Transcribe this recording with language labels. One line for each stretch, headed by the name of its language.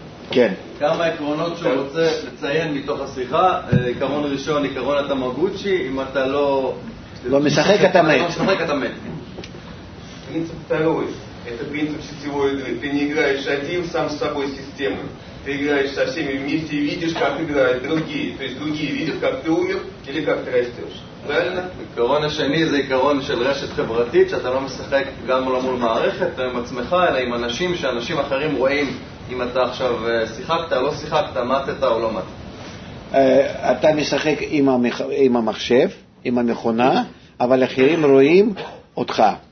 Hebrew: כן. כמה עקרונות שהוא רוצה לציין מתוך השיחה. עקרון ראשון, עקרון התמגוצ'י, אם אתה לא משחק אתה מת.
Russian: Принцип второй. Это принцип сетевой игры. Ты не играешь один сам с собой системы. Ты играешь со всеми вместе и видишь, как играют другие. То есть другие видят, как ты умер или как ты растешь. Правильно?
Hebrew: עקרון השני זה עקרון של רשת חברתית, שאתה לא משחק גם לא מול מערכת עם עצמך, אלא עם אנשים שאנשים אחרים רואים אם אתה עכשיו שיחקת, לא שיחקת, מתת או לא מת. אתה משחק עם המחשב, עם המכונה, אבל אחרים רואים אותך.